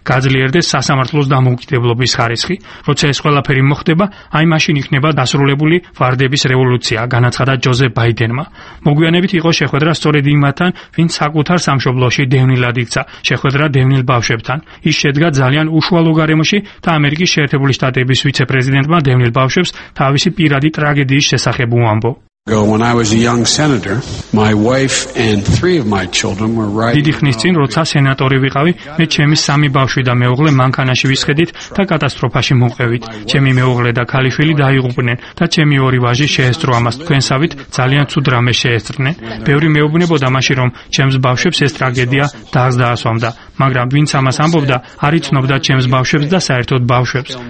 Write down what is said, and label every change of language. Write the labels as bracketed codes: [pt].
[ka] გაძლიერდეს სასამართლო ლოს დამოუკიდებლობის ხარისხი. როცა ეს ყველაფერი მოხდება, აი მაშინ იქნება დასრულებული ვარდების რევოლუცია, განაცხადა ჯოზეფ ბაიდენმა. მოგვიანებით იყო შეხვედრა სწორედ იმათთან, ვინც საკუთარ სამშობლოში დევნილად იქცა, შეხვედრა დევნილ ბავშვებთან. ის შედგა ძალიან უშუალო გარემოში და ამერიკის შეერთებული შტატების ვიცე-პრეზიდენტმა დევნილ ბავშვებს თავისი პირადი ტრაგედიის შესახებ უამბო. [en] When I was a young senator, my wife and three of my children were right. [ka] დიდი ხნის წინ, როცა სენატორი ვიყავი, მე ჩემი სამი ბავშვი და მეუღლე მანქანაში ვისხედით და კატასტროფაში მოყევით. ჩემი მეუღლე და ქალიშვილი დაიღუპნენ და ჩემი ორი ვაჟი შეესწრო ამას. თქვენსავით ძალიან ცუდ რამე შეესწრნენ. ბევრი მეუბნებოდა მაშინ, რომ ჩემს ბავშვებს ეს ტრაგედია დაასვამდა, მაგრამ ვინც ამას ამბობდა, არ იცნობდა ჩემს ბავშვებს და საერთოდ ბავშვებს.